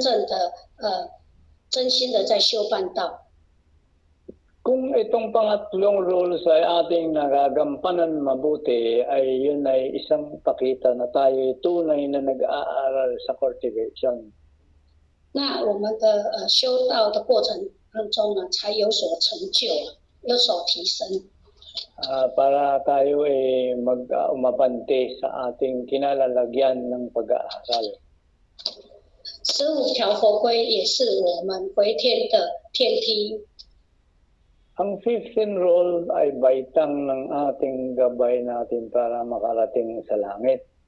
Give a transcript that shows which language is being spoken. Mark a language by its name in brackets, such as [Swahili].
[Chinese] 那我们今天如果可以把斋庄中正呢做好呢，那才是真正的真心的在修办道。 [Filipino] Kung itong pangatlong rules ay ating nagagampanan mabuti, ay yun ay isang pakita na tayo tunay na nag-aaral sa cultivation. [Chinese] 那我们的修道的过程当中呢，才有所成就，有所提升。 [Filipino] Para tayo ay mag-umapante sa ating kinalalagyan ng pag-aaral. [Chinese] 15条佛规也是我们回天的天梯。 [Filipino] Ang 15 rule ay baitang ng ating gabay natin para makarating sa langit.